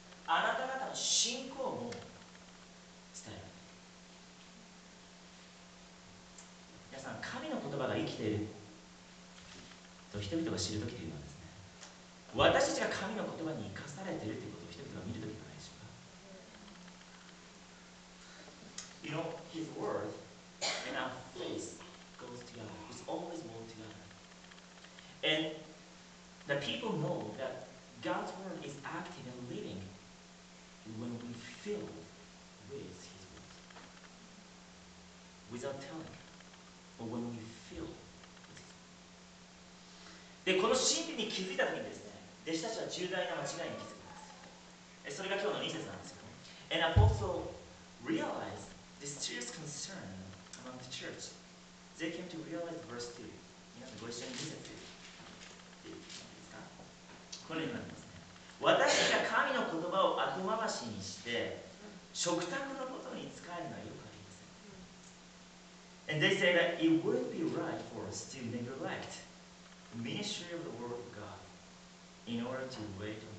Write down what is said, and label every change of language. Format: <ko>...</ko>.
<ja>あなた方の信仰も伝える。皆さん、神の言葉が生きていると人々が知るときというのはですね、私たちが神の言葉に生かされているということを人々が見るときではないでしょうか。</ja> <en>You know, His word and our faith goes together. It's always work together. And the people know that God's word is active and living when we fill with His word. Without telling. Or when we feel with it.</en> <ja>で、この真理に気づいたときにですね、弟子たちは重大な間違いに気づきます。それが今日の2節なんですよ。</ja> <en>And apostles realized this serious concern among the church. They came to realize verse 2.</en> <ja>皆さん、ご一緒に2節で。これになりますね。私たちが神の言葉を後回しにして、食卓のことに使えるのはよくありません。</ja> <en>And they say that it wouldn't be right for us to neglect the ministry of the word of God in order to wait on the table.</en>